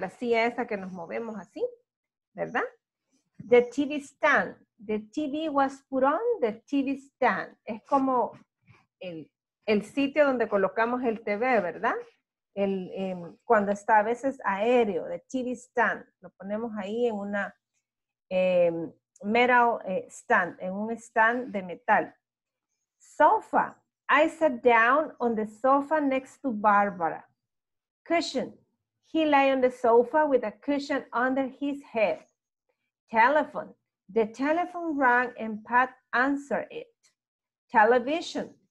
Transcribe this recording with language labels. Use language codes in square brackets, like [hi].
[es] La silla esa que nos movemos así, ¿verdad? [en] The TV stand. The TV was put on the TV stand. [es] Es como el sitio donde colocamos el TV, ¿verdad? Cuando está a veces aéreo, [en] the TV stand. [es] Lo ponemos ahí en una metal stand, en un stand de metal. [en] Sofa. I sat down on the sofa next to Barbara. Cushion. He lay on the sofa with a cushion under his head. Telephone. The telephone rang and Pat answered it. Television.